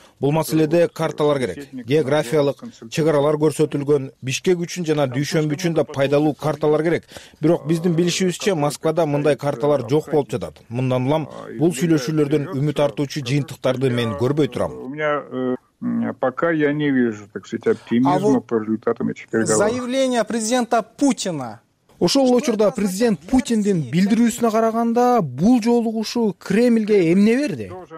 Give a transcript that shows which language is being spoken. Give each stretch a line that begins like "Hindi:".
Kyrgyz: Бул маселеде карталар керек. Географиялык чек аралар көрсөтүлгөн, Бишкек үчүн жана Дүйшөмбү үчүн да пайдалуу карталар керек. Бирок биздин билишибизче Москвада мындай карталар жок болуп жатат. Мындан улам бул сүйлөшүүлөрдөн үмүт артуучу жыйынтыктарды мен көрбөй турам.
Russian: Пока я не вижу, так сказать, оптимизма по результатам этих переговоров. Заявление президента Путина.
Kyrgyz: Ошол учурда президент Путиндин билдирүүсүнө караганда бул жолугушуу Кремльге эмне берди?